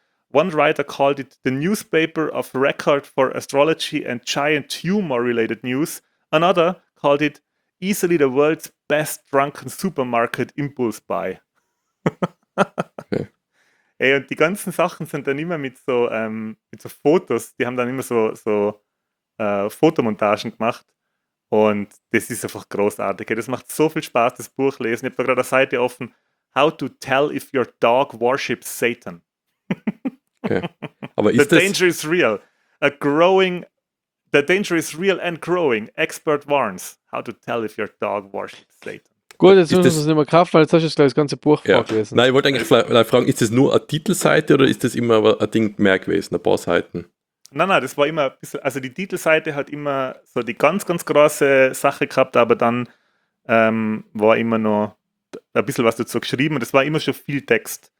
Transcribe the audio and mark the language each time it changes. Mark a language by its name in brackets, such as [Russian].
[English] One writer called it the newspaper of record for astrology and giant tumor-related news. Another called it easily the world's best drunken supermarket impulse buy. Okay. [German] Ey, und die ganzen Sachen sind dann immer mit so Fotos. Die haben dann immer so Fotomontagen gemacht. Und das ist einfach großartig. Das macht so viel Spaß, das Buch lesen. Ich habe da gerade eine Seite offen. [English] How to tell if your dog worships Satan. [German] Okay. Aber [English] the danger is real. The danger is real and growing. Expert warns. How to tell if your dog worships Satan. [German] Gut, jetzt müssen wir es nicht mehr kaufen, weil jetzt hast du das ganze Buch vorgelesen. Nein, ich wollte eigentlich fragen, ist das nur eine Titelseite oder ist das immer ein Ding mehr gewesen, ein paar Seiten? Nein, das war immer ein bisschen, also die Titelseite hat immer so die ganz, ganz große Sache gehabt, aber dann war immer noch ein bisschen was dazu geschrieben und es war immer schon viel Text.